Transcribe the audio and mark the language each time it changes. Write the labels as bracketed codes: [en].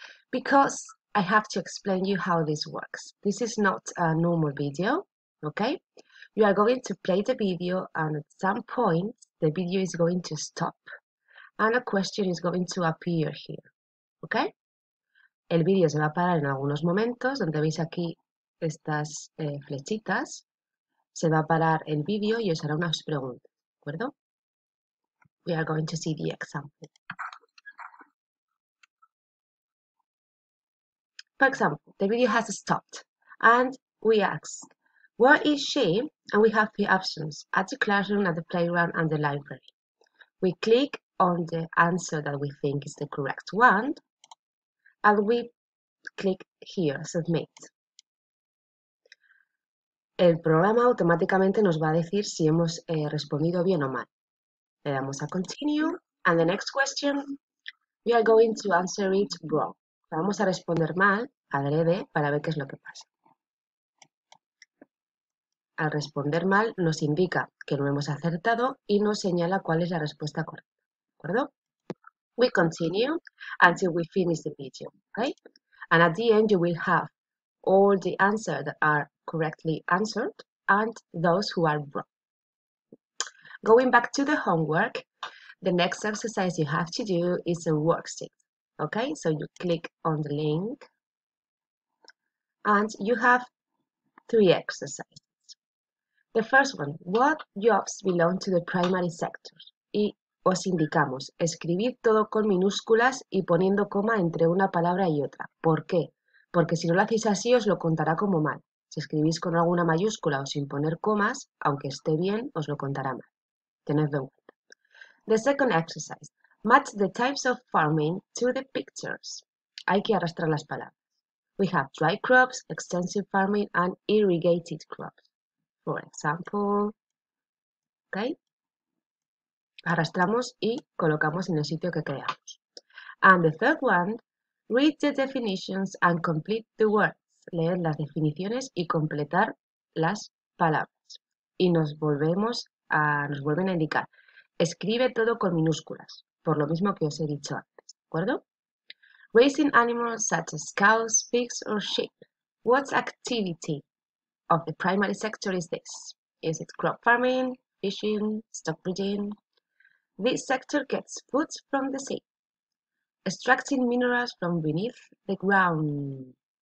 [en] Because I have to explain you how this works. This is not a normal video, okay? You are going to play the video, and at some point, the video is going to stop, and a question is going to appear here, okay? [es] El video se va a parar en algunos momentos, donde veis aquí. Estas flechitas se va a parar el vídeo y os hará unas preguntas, ¿de acuerdo? [en] We are going to see the example. For example, the video has stopped and we ask, where is she? And we have the options at the classroom, at the playground, and the library. We click on the answer that we think is the correct one and we click here, submit. [es] El programa automáticamente nos va a decir si hemos respondido bien o mal. Le damos a continue. [en] And the next question, we are going to answer it wrong. [es] Vamos a responder mal, adrede, para ver qué es lo que pasa. Al responder mal, nos indica que no hemos acertado y nos señala cuál es la respuesta correcta. ¿De acuerdo? [en] We continue until we finish the video, okay? And at the end, you will have all the answers that are correctly answered and those who are wrong. Going back to the homework, the next exercise you have to do is a worksheet. Okay, so you click on the link and you have three exercises. The first one, what jobs belong to the primary sector? [es] Y os indicamos, escribid todo con minúsculas y poniendo coma entre una palabra y otra. ¿Por qué? Porque si no lo hacéis así, os lo contará como mal. Si escribís con alguna mayúscula o sin poner comas, aunque esté bien, os lo contará mal. Tenedlo en cuenta. [en] The second exercise. Match the types of farming to the pictures. [es] Hay que arrastrar las palabras. [en] We have dry crops, extensive farming, and irrigated crops. For example. Okay. [es] Arrastramos y colocamos en el sitio que creamos. [en] And the third one. Read the definitions and complete the words. [es] Leer las definiciones y completar las palabras. Y nos vuelven a indicar. Escribe todo con minúsculas, por lo mismo que os he dicho antes. ¿De acuerdo? [en] Raising animals such as cows, pigs or sheep. What activity of the primary sector is this? Is it crop farming, fishing, stock breeding? This sector gets food from the sea. Extracting minerals from beneath the ground.